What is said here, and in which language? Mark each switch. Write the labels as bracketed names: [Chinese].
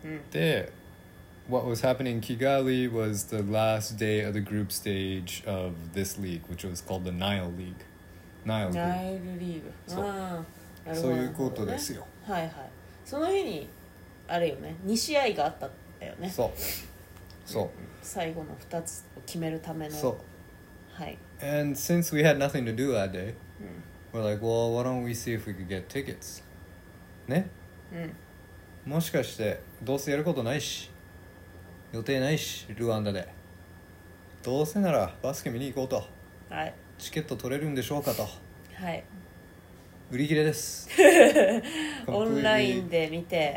[English] で、what was happening in Kigali was the last day of the group stage of this league, which was called the Nile League. Nile League. [Japanese] そういうことですよ。はいはい。その日にあれよね、2試合があった。そう、そう。最後の2つを決めるための。そう。はい。 [English] And since we had nothing to do that day, we're like, well, why don't we see if we could get tickets? [Japanese] ね? もしかして、どうせやることないし、予定ないし、ルワンダで。どうせなら、バスケ見に行こうと。はい。チケット取れるんでしょうかと。はい。売り切れです。オンラインで見て。